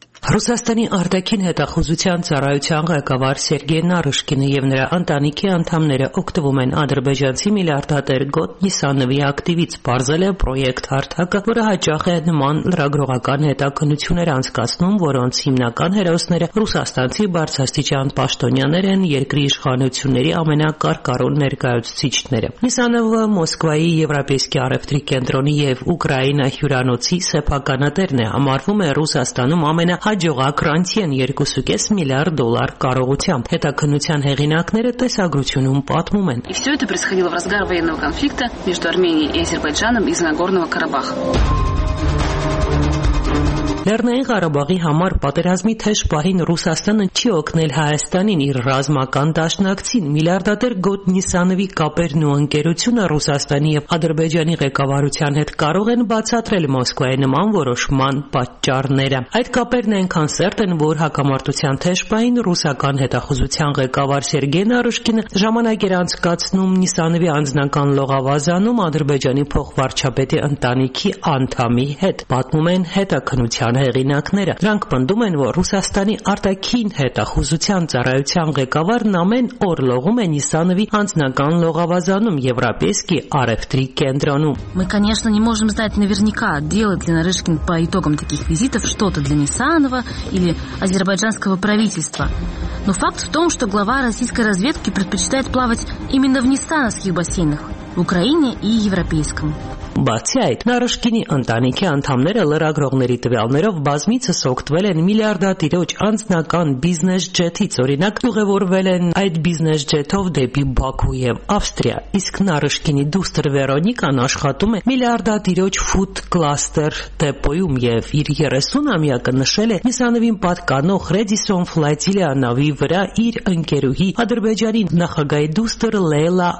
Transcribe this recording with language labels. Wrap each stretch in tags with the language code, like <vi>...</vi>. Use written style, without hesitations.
<hy>Ռուսաստանի արտաքին հետախուզության ծառայության ղեկավար Սերգեյ Նարուշկինը և նրա ընտանիքի անդամները օգտվում են ադրբեջանցի միլիարդատեր Գոտ Նիսանովի ակտիվից, պարզել է պրոյեկտ հարթակը, որը հաճախ է նման լրագրողական հետաքնություններ անցկացնում, որոնց հիմնական հերոսները ռուսաստանցի բարձրաստիճան պաշտոնյաներ են, երկրի իշխանությունների ամենակարկառուն ներկայացուցիչները։ Նիսանովը Մոսկվայի Եվրոպեյսկի Առևտրի կենտրոնի և Ուկրաինա հյուրանոցի սեփականատերն է, համարվում է Ռուսաստանում ամեն հաջողակ ռանցիեն 2.5 միլիարդ դոլար կարողությամբ։ Հետաքննության հեղինակները տեսագրությունում պատմում են.</hy> <ru>Всё это происходило в разгар военного конфликта между Арменией и Азербайджаном из Нагорного Карабаха.</ru> <hy>Լեռնային Ղարաբաղի համար պատերազմի թեժ պահին Ռուսաստանը չի օգնել Հայաստանին իր ռազմական դաշնակցին։ Միլիարդատեր Գոտ Նիսանովի կապերն ու ընկերությունը Ռուսաստանի և Ադրբեջանի ղեկավարության հետ կարող են բացատրել Մոսկվայի նման որոշման պատճառները։ Այդ կապերն այնքան սերտ են, որ հակամարտության թեժ պահին ռուսական հետախուզության ղեկավար Սերգեյ Նարուշկինը ժամանակ էր անցկացնում Նիսանովի անձնական լողավազանում Ադրբեջանի փոխվարչապետի ընտանիքի անդամի հետ, պատմում են հետաքննության հեղինակները։ Նրանք պնդում են, որ Ռուսաստանի արտաքին հետախուզության ծառայության ղեկավարն ամեն օր լողում է Նիսանովի անձնական լողավազանում Եվրոպեյսկի Առևտրի կենտրոնում։</hy> <ru>Мы, конечно, не можем знать наверняка, делает ли Нарышкин по итогам таких визитов что-то для Нисанова или азербайджанского правительства. Но факт в том, что глава российской разведки предпочитает плавать именно в нисановских бассейнах, в Украине и европейском.</ru> <hy>Բացի այդ, Նարուշկինի ընտանիքի անդամները լրագրողների տվյալներով բազմիցս օգտվել են միլիարդատիրոջ անձնական բիզնես ջեթից, օրինակ՝ ուղևորվել են այդ բիզնես ջեթով դեպի Բաքու և Ավստրիա, իսկ Նարուշկինի դուստր Վերոնիկան աշխատում է միլիարդատիրոջ ֆուդ կլաստեր դեպոյում և իր 30-ամյակը նշել է Նիսանովին պատկանող Ռեդիսոն ֆլոտիլիա նավի վրա իր ընկերուհի Ադրբեջանի նախագահի դուստր Լեյլա</hy>